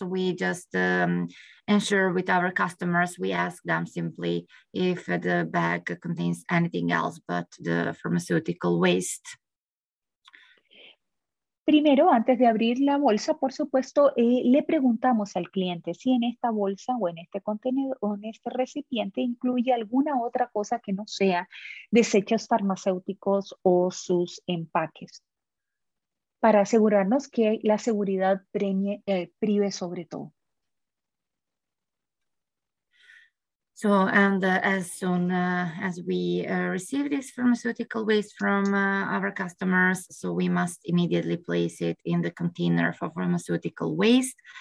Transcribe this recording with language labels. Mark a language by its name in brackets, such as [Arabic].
[English] We just ensure with our customers, we ask them simply if the bag contains anything else but the pharmaceutical waste. [Spanish] Primero, antes de abrir la bolsa, por supuesto, le preguntamos al cliente si en esta bolsa o en este contenedor o en este recipiente incluye alguna otra cosa que no sea desechos farmacéuticos o sus empaques, para asegurarnos que la seguridad prive sobre todo. [English] So, and as soon as we receive this pharmaceutical waste from our customers, so we must immediately place it in the container for pharmaceutical waste.